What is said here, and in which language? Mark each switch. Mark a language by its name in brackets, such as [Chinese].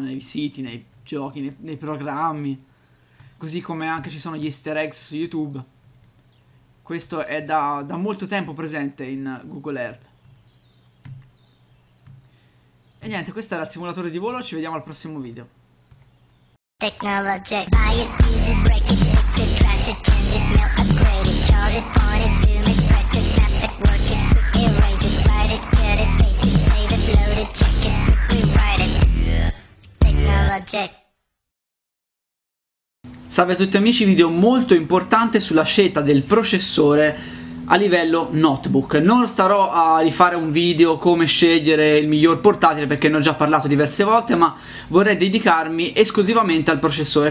[Italian] Nei siti, nei giochi, nei programmi. Così come anche ci sono gli easter eggs su YouTube. Questo è da molto tempo presente in Google Earth. E niente, questo era il simulatore di volo, ci vediamo al prossimo video. [English] Technologic, buy it, use it, break it, fix it, trash it, change it, melt, upgrade it, charge it, point it, zoom it, press it, snap it, work it, erase it, write it, cut it, paste it, save it, load it, check it, rewrite it. Technologic. [Italian] Salve a tutti amici, video molto importante sulla scelta del processore a livello notebook. Non starò a rifare un video come scegliere il miglior portatile perché ne ho già parlato diverse volte, ma vorrei dedicarmi esclusivamente al processore.